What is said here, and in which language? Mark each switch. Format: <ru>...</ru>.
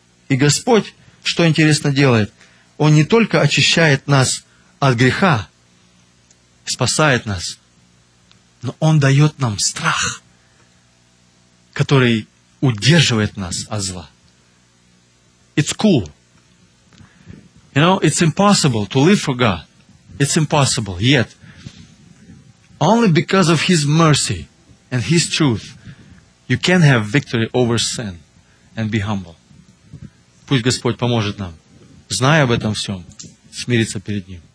<ru>И Господь, что интересно делает, Он не только очищает нас от греха, спасает нас, но Он дает нам страх, который удерживает нас от зла.</ru> <en>It's cool. You know, it's impossible to live for God. It's impossible. Yet, only because of His mercy and His truth, you can have victory over sin and be humble.</en> <ru>Пусть Господь поможет нам, зная об этом всем, смириться перед Ним.</ru>